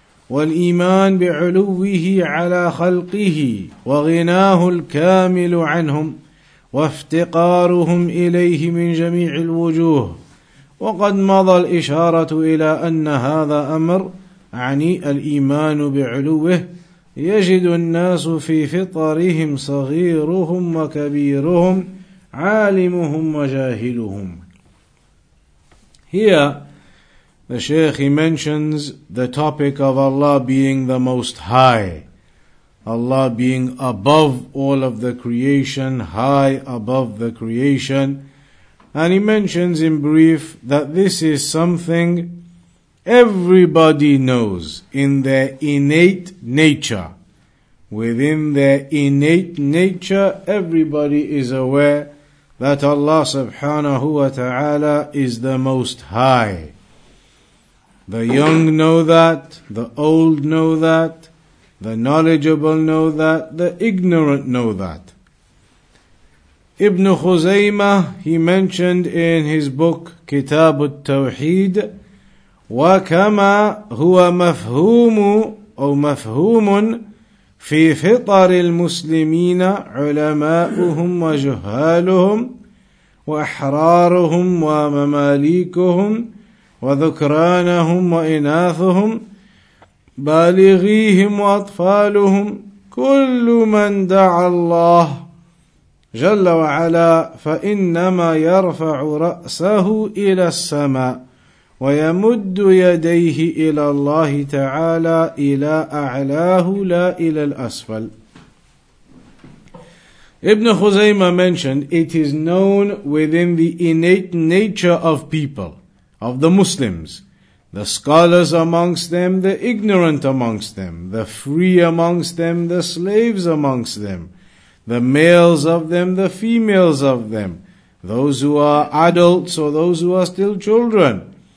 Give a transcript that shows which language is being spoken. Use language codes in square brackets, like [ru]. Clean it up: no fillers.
[ar] والإيمان بعلوه على خلقه وغناه الكامل عنهم وافتقارهم إليه من جميع الوجوه وقد مضى الإشارة إلى أن هذا أمر يعني الإيمان بعلوه يجد الناس في فطرهم صغيرهم وكبيرهم عالمهم وجاهلهم. [en] Here the Shaykh, he mentions the topic of Allah being the Most High, Allah being above all of the creation, high above the creation. And he mentions in brief that this is something everybody knows in their innate nature. Within their innate nature, everybody is aware that Allah subhanahu wa ta'ala is the Most High. The young know that, the old know that, the knowledgeable know that, the ignorant know that. Ibn Khuzaymah, he mentioned in his book, Kitab al-Tawheed, [ar] وَكَمَا هُوَ مَفْهُومُ أَوْ مَفْهُومٌ فِي فِطَرِ الْمُسْلِمِينَ عُلَمَاؤُهُمْ وَجُهَّالُهُمْ وَأَحْرَارُهُمْ وَمَمَالِيكُهُمْ وذكرانهم وإناثهم بالغيهم وأطفالهم كل من دعا الله جل وعلا فإنما يرفع رأسه إلى السماء ويمد يديه إلى الله تعالى إلى أعلاه لا إلى الأسفل. [en] Ibn Khuzaymah mentioned, it is known within the innate nature of people, of the Muslims, the scholars amongst them, the ignorant amongst them, the free amongst them, the slaves amongst them, the males of them, the females of them, those who are adults or those who are still children.